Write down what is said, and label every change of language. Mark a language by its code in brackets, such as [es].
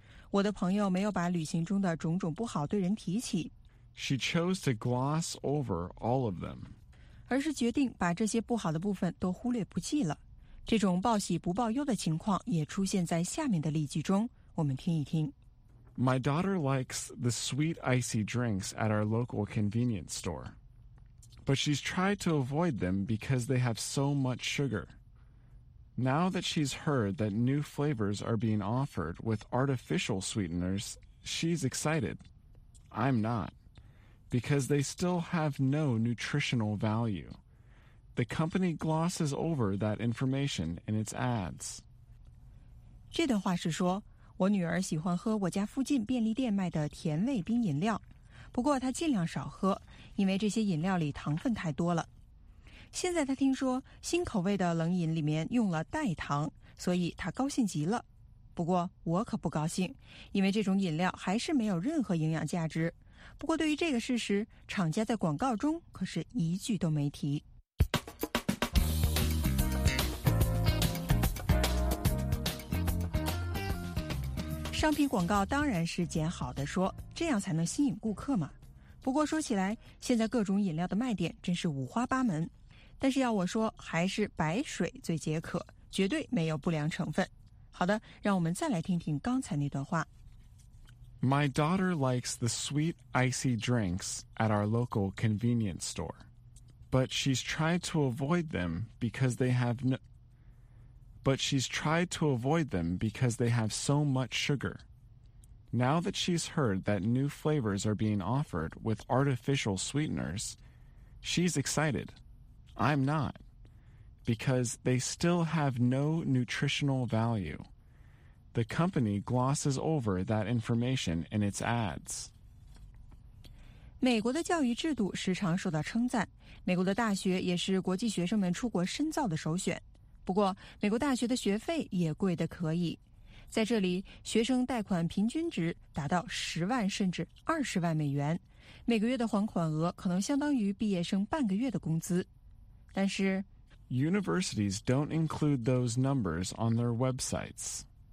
[zh] 我的朋友没有把旅行中的种种不好对人提起。 [en] She chose to gloss over all of them. [zh] 而是决定把这些不好的部分都忽略不计了。这种报喜不报忧的情况也出现在下面的例句中，我们听一听。 [en] My daughter likes the sweet icy drinks at our local convenience store. But she's tried to avoid them because they have so much sugar. Now that she's heard that new flavors are being offered with artificial sweeteners, she's excited. I'm not. Because they still have no nutritional value. The company glosses over that information in its ads. [zh] 这段话是说，我女儿喜欢喝我家附近便利店卖的甜味冰饮料，不过她尽量少喝，因为这些饮料里糖分太多了。现在她听说新口味的冷饮里面用了代糖，所以她高兴极了。不过我可不高兴，因为这种饮料还是没有任何营养价值。不过对于这个事实，厂家在广告中可是一句都没提。商品广告当然是捡好的说，这样才能吸引顾客嘛。不过说起来，现在各种饮料的卖点真是五花八门，但是要我说，还是白水最解渴，绝对没有不良成分。好的，让我们再来听听刚才那段话。 [en] My daughter likes the sweet icy drinks at our local convenience store, but she's tried to avoid them because they have no. But she's tried to avoid them because they have so much sugar. Now that she's heard that new flavors are being offered with artificial sweeteners, she's excited. I'm not, because they still have no nutritional value. The company glosses over that information in its ads. [zh] 美国的教育制度时常受到称赞，美国的大学也是国际学生们出国深造的首选。不过，美国大学的学费也贵得可以。在这里，学生贷款平均值达到10万甚至20万美元，每个月的还款额可能相当于毕业生半个月的工资。但是 [en] ，Universities don't include those numbers on their websites.